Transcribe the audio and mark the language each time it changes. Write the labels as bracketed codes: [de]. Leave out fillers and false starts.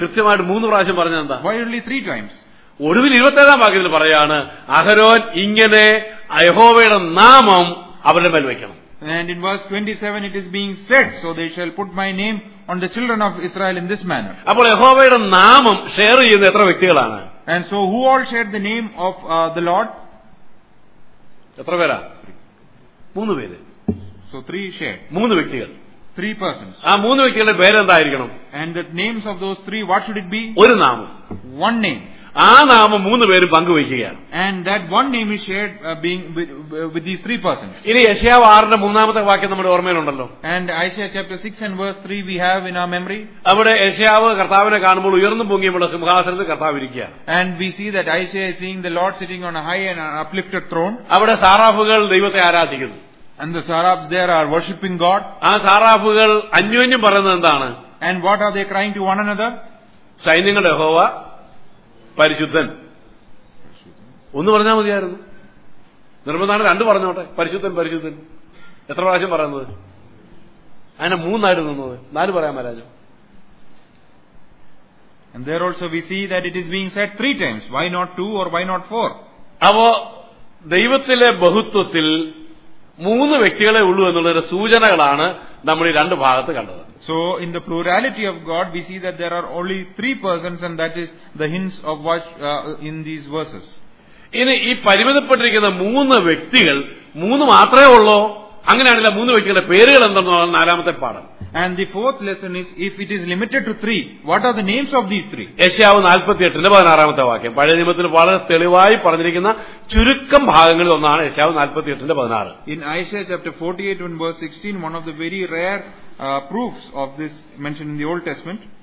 [ml] കൃത്യമായിട്ട് മൂന്ന് പ്രാവശ്യം പറഞ്ഞാൽ എന്താ? [en] Why only three times? [ml] ഒടുവിൽ 27-ാം വാക്യത്തിൽ പറയാണ്, അഹരോൻ ഇങ്ങനെ യഹോവയുടെ നാമം അവരുടെ മേൽ വെക്കണം. [en] And in verse 27 it is being said, so they shall put my name on the children of Israel in this manner. [ml] അപ്പോൾ യഹോവയുടെ നാമം ഷെയർ ചെയ്യുന്ന എത്ര വ്യക്തികളാണ്? [en] And so who all shared the name of the Lord? [ml] എത്ര പേരാ? മൂന്ന് പേര്. [en] So three shared. [ml] മൂന്ന് വ്യക്തികൾ. [en] Three persons. [ml] ആ മൂന്ന് വ്യക്തികളുടെ പേരെന്തായിരിക്കണം? [en] And the names of those three, what should it be? [ml] ഒരു നാമം. [en] One name. [ml] ആ നാമം മൂന്ന് പേരും പങ്കുവയ്ക്കുകയാണ്. [en] And that one name is shared being with these three persons. [ml] ഇനി യെശയ്യാവ് 6-ന്റെ 3-ാമത്തെ വാക്യം നമ്മുടെ ഓർമ്മയിലുണ്ടല്ലോ. [en] And Isaiah chapter 6 and verse 3 we have in our memory. [ml] അവിടെ യെശയ്യാവ് കർത്താവിനെ കാണുമ്പോൾ ഉയർന്നു പൊങ്ങിയുള്ള സിംഹാസനത്തിൽ കർത്താവ് ഇരിക്കുകയാണ്. [en] And we see that Isaiah is seeing the Lord sitting on a high and an uplifted throne. [ml] അവിടെ സാറാഫുകൾ ദൈവത്തെ ആരാധിക്കുന്നു. [en] And the seraphs there are worshiping God. [ml] ആ സാറാഫുകൾ അന്യോന്യം പറയുന്നത് എന്താണ്? [en] And what are they crying to one another? [ml] സൈന്യങ്ങളുടെ യഹോവ പരിശുദ്ധൻ. ഒന്ന് പറഞ്ഞാൽ മതിയായിരുന്നു, നിർബന്ധമാണ് രണ്ട് പറഞ്ഞോട്ടെ. പരിശുദ്ധൻ പരിശുദ്ധൻ എത്ര പ്രാവശ്യം പറയുന്നത്? അതിനെ മൂന്നായിട്ട് നിന്നത്. നാല് പറയാൻ മഹാരാജോ? [en] And there also we see that it is being said three times. Why not two or why not four? [ml] അപ്പോ ദൈവത്തിലെ ബഹുത്വത്തിൽ മൂന്ന് വ്യക്തികളെ ഉള്ളൂ എന്നുള്ളൊരു സൂചനകളാണ് നമ്മൾ ഈ രണ്ട് ഭാഗത്ത് കണ്ടത്. [en] So in the plurality of God we see that there are only three persons, and that is the hints of what in these verses. [ml] ഇനി ഈ പരിമിതപ്പെട്ടിരിക്കുന്ന മൂന്ന് വ്യക്തികൾ, മൂന്ന് മാത്രമേ ഉള്ളോ, അങ്ങനെയാണല്ലോ മൂന്ന് വ്യക്തികളുടെ പേരുകൾ എന്താണെന്നാണ് നാലാമത്തെ പാഠം. [en] And the fourth lesson is, if it is limited to three, what are the names of these three? [ml] യെശയ്യാവ് 48-ന്റെ 16-ാമത്തെ വാക്യം പഴയ നിയമത്തിൽ വളരെ തെളിവായി പറഞ്ഞിരിക്കുന്ന ചുരുക്കം ഭാഗങ്ങളിൽ ഒന്നാണ് യെശയ്യാവ് 48-ന്റെ 16. [en] In Isaiah chapter 48 and verse 16, one of the very rare proofs of this mentioned in the Old Testament.